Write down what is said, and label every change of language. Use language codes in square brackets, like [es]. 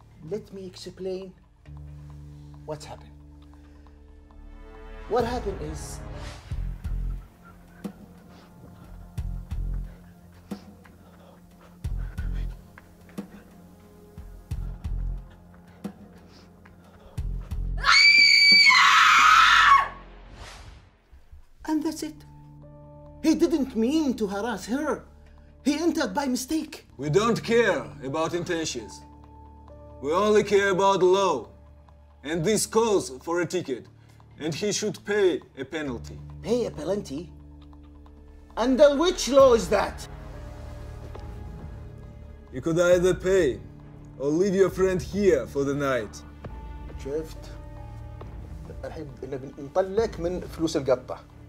[en] Let me explain what's happen. What happen is That's it. He didn't mean to harass her. He entered by mistake. We don't care about intentions. We only care about the law. And this calls for a ticket. And he should pay a penalty. Pay a penalty? Under which law is that? You could either pay or leave your friend here for the night. [ar] شفت؟ الحين بنطلعك من فلوس القطة.